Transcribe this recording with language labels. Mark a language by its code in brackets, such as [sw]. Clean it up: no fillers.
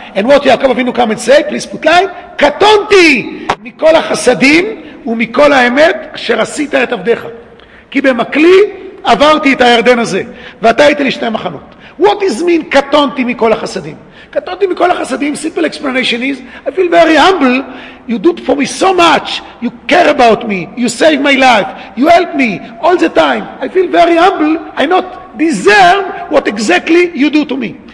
[en] And what Yaakov Avinu come and say, please put line, [he] קטונתי מכל החסדים ומכל האמת אשר עשית את עבדך. כי במקלי עברתי את הירדן הזה, ואתה הייתי לשני מחנות. [en] What is mean [he] קטונתי מכל החסדים? [en] קטונתי מכל החסדים, simple explanation is, I feel very humble, you do it for me so much, you care about me, you save my life, you help me all the time. I feel very humble, I not deserve what exactly you do to me.